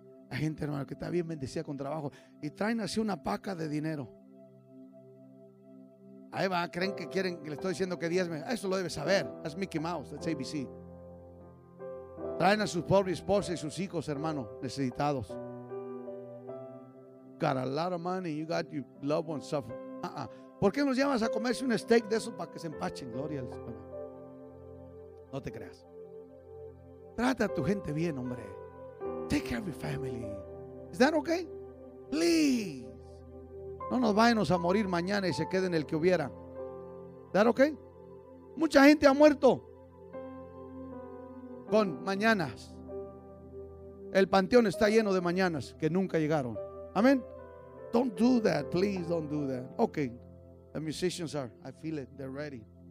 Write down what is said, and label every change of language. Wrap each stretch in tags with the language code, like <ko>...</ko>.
<es>Hay gente, hermano, que está bien bendecida con trabajo y traen así una paca de dinero. Ahí va, creen que quieren, le estoy diciendo que diezme. Eso lo debe saber. Es Mickey Mouse,</es> <en>that's ABC.</en> <es>Traen a sus pobres esposas y sus hijos, hermano, necesitados.</es> <en>Got a lot of money, you got your loved ones suffering.</en> <es>¿Por qué nos llamas a comerse un steak de esos para que se empachen? Gloria al Señor. No te creas. Trata a tu gente bien, hombre.</es> <en>Take care of your family. Is that okay? Please.</en> <es>No nos vayamos a morir mañana y se quede en el que hubiera.</es> <en>Is that okay?</en> <es>Mucha gente ha muerto con mañanas. El panteón está lleno de mañanas que nunca llegaron.</es> <en>Amén. Don't do that. Please don't do that. Okay. The musicians are, I feel it, they're ready.</en>